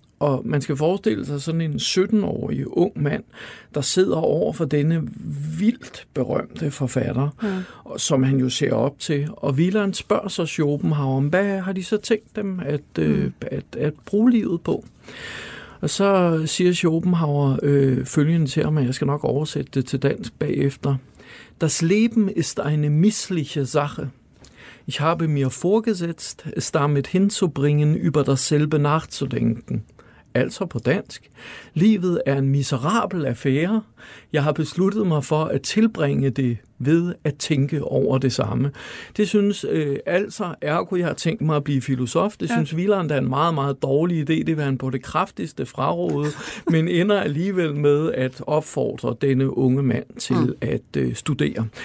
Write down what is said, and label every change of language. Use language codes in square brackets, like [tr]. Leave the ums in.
[da] Og man skal forestille sig sådan en 17-årig ung mand, der sidder over for denne vildt berømte forfatter, ja. som han jo ser op til. Og Wieland spørger så Schopenhauer, hvad har de så tænkt dem at, øh, at, at bruge livet på? Og så siger Schopenhauer øh, følgende til ham, og jeg skal nok oversætte det til dansk bagefter. [de] Das Leben ist eine missliche Sache. Ich habe mir vorgesetzt, es damit hinzubringen, über dasselbe nachzudenken. [da] Altså på dansk. Livet er en miserabel affære. Jeg har besluttet mig for at tilbringe det ved at tænke over det samme. Det synes øh, altså, ergo jeg har tænkt mig at blive filosof, det ja. synes Wieland er en meget, meget dårlig idé. Det vil han på det kraftigste fraråde, men ender alligevel med at opfordre denne unge mand til at øh, studere.